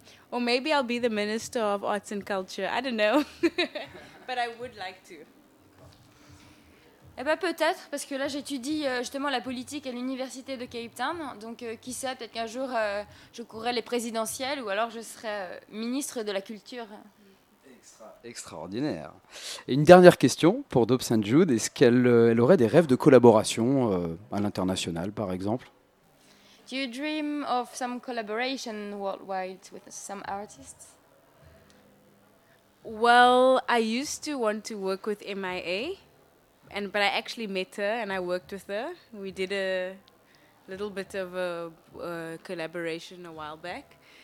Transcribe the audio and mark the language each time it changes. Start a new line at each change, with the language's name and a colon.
English: or maybe I'll be the Minister of Arts and Culture. I don't know. But I would like to.
French: Eh bien, peut-être, parce que là, j'étudie justement la politique à l'université de Cape Town. Donc, qui sait, peut-être qu'un jour, je courrai les présidentielles ou alors je serai ministre de la culture. Extraordinaire. Et une dernière question pour Dope Saint Jude. Est-ce qu'elle aurait des rêves de collaboration à l'international, par exemple ?
English: Do you dream of some collaboration worldwide with some artists ? Well, I used to want to work with MIA. But I actually met her and I worked with her. We did a little bit of a collaboration a while back.